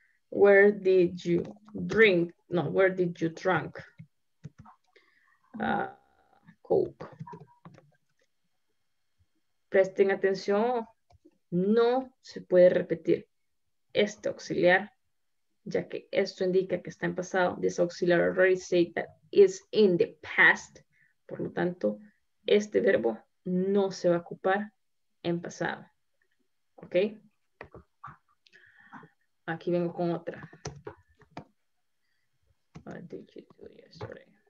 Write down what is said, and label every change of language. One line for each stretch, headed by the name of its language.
English: Where did you drink? No, where did you drunk? Coke.
Spanish: Presten atención. No se puede repetir este auxiliar, ya que esto indica que está en pasado.
English: This auxiliar already said that is in the past.
Spanish: Por lo tanto, este verbo no se va a ocupar en pasado. ¿Ok? Aquí vengo con otra.
English: What did you do yesterday?